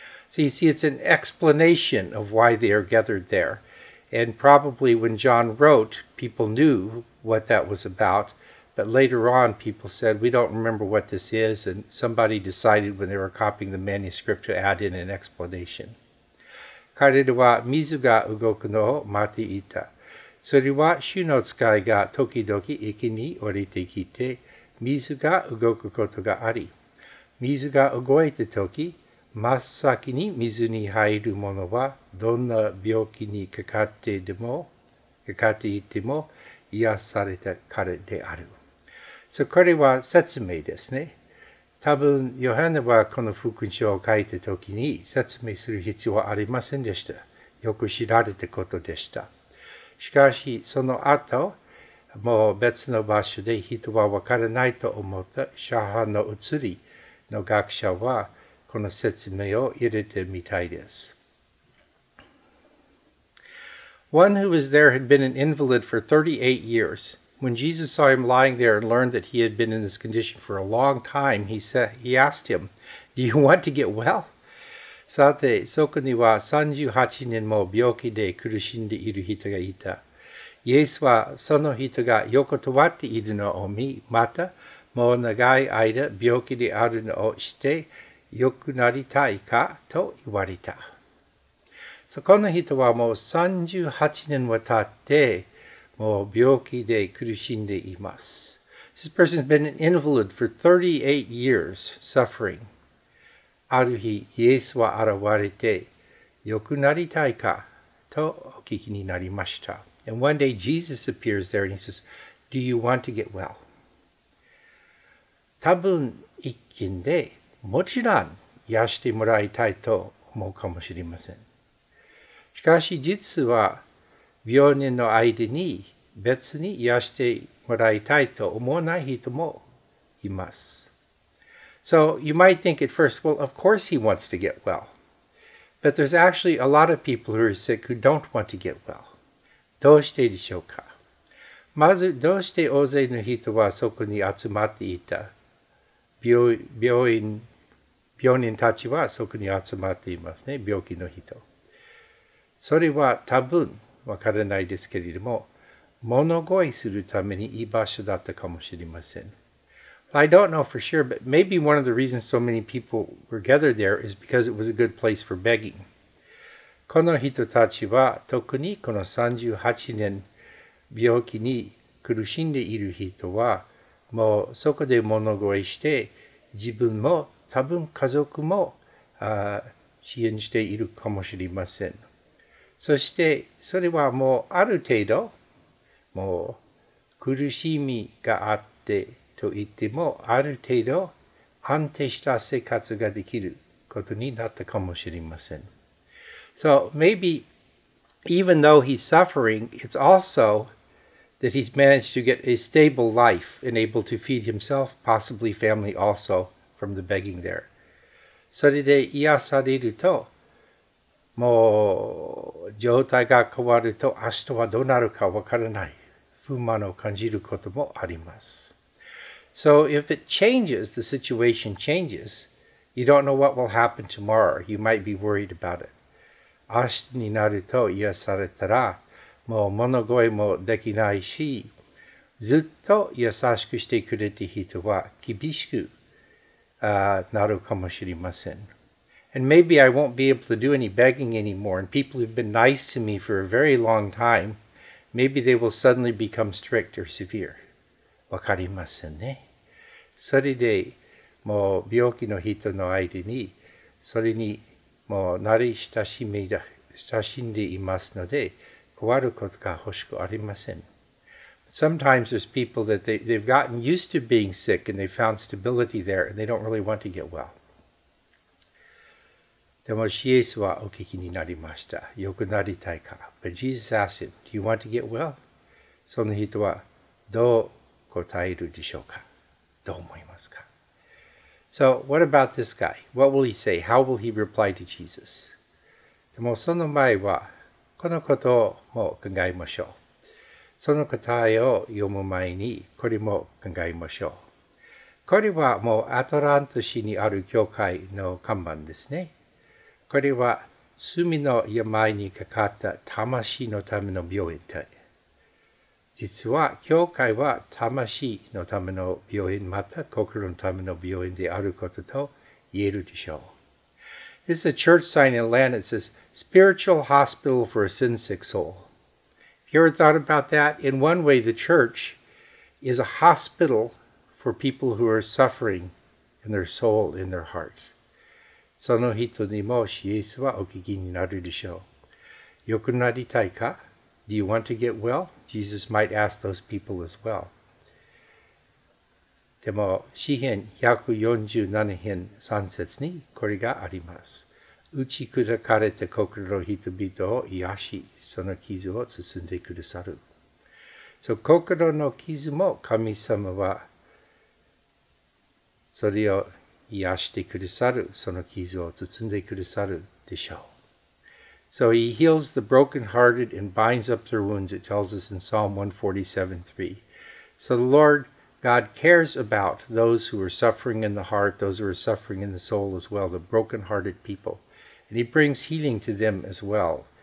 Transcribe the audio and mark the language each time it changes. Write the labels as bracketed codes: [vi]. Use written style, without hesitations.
[en] So you see, it's an explanation of why they are gathered there. And probably when John wrote, people knew what that was about. But later on, people said, we don't remember what this is, and somebody decided when they were copying the manuscript to add in an explanation. [ja] 彼らは水が動くのを待っていた。それは主の使いが時々池に降りてきて、水が動くことがあり、水が動いたとき、真っ先に水に入るものはどんな病気にかかっていても癒されたからである。 So, これは説明ですね。多分、ヨハネはこの福音書を書いたときに説明する必要はありませんでした。よく知られたことでした。しかし、その後、もう別の場所で人は分からないと思った写派の写りの学者は、この説明を入れてみたいです。 [en] One who was there had been an invalid for 38 years. When Jesus saw him lying there and learned that he had been in this condition for a long time, he asked him, Do you want to get well? [ja] さて、そこには38年も病気で苦しんでいる人がいた。イエスはその人が横たわっているのを見、またもう長い間病気であるのを知って良くなりたいかと言われた。そこの人はもう38年も経ってもう病気で苦しんでいます。 [en] This person has been an invalid for 38 years suffering. [ja] ある日、イエスは現れて、良くなりたいかとお聞きになりました。 [en] And one day Jesus appears there and he says, Do you want to get well? [ja] 多分一見で、もちろん癒してもらいたいと思うかもしれません。しかし実は、病人の間に別に癒してもらいたいと思わない人もいます。 [en] So you might think at first, well, of course he wants to get well. But there's actually a lot of people who are sick who don't want to get well. [ja] どうしてでしょうか？まずどうして大勢の人はそこに集まっていた？病人たちはそこに集まっていますね、病気の人。それは多分、わからないですけれども、物乞いするためにいい場所だったかもしれません。 [en] I don't know for sure, but maybe one of the reasons so many people were gathered there is because it was a good place for begging. [ja] この人たちは、特にこの38年病気に苦しんでいる人は、もうそこで物乞いして、自分も多分家族も支援しているかもしれません。そしてそれはもうある程度、もう苦しみがあってと言っても、ある程度安定した生活ができることになったかもしれません。 [en] So maybe even though he's suffering, it's also that he's managed to get a stable life and able to feed himself, possibly family also, from the begging there. [ja] それで癒されると、もう状態が変わると明日はどうなるかわからない。不満を感じることもあります。 [en] So if it changes, the situation changes, you don't know what will happen tomorrow. You might be worried about it. [ja] 明日になると癒されたら、もう物乞いもできないし、ずっと優しくしてくれた人は厳しくなるかもしれません。 [en] And maybe I won't be able to do any begging anymore, and people who've been nice to me for a very long time, maybe they will suddenly become strict or severe. [ja] わかりませんね。それで、もう病気の人の間に、それにもう慣れ親しんでいますので、壊ることが欲しくありません。 [en] Sometimes there's people that they've gotten used to being sick and they found stability there and they don't really want to get well. [ja] でもイエスはお聞きになりました。よくなりたいか。 [en] But Jesus asked him, Do you want to get well? [ja] その人はどう答えるでしょうか？どう思いますか？ [en] So what about this guy? What will he say? How will he reply to Jesus? [ja] でもその前はこのことをもう考えましょう。その答えを読む前にこれも考えましょう。これはもうアトランタ市にある教会の看板ですね。これは罪の病にかかった魂のための病院体。実は教会は魂のための病院、また心のための病院であることと言えるでしょう。 [en] This is a church sign in Atlanta that says, Spiritual Hospital for a Sin-Sick Soul. Have you ever thought about that? In one way, the church is a hospital for people who are suffering in their soul, in their heart. [ja] その人にもイエスはお聞きになるでしょう。よくなりたいか? [en] Do you want to get well? Jesus might ask those people as well. [ja] でも、詩篇147編3節にこれがあります。打ち砕かれた心の人々を癒し、その傷を進んでくださる。 So, 心の傷も神様はそれを癒してくださる、その傷を包んでくださるでしょう。 [en] So he heals the brokenhearted and binds up their wounds, it tells us in Psalm 147:3. So the Lord God cares about those who are suffering in the heart, those who are suffering in the soul as well, the brokenhearted people. And he brings healing to them as well.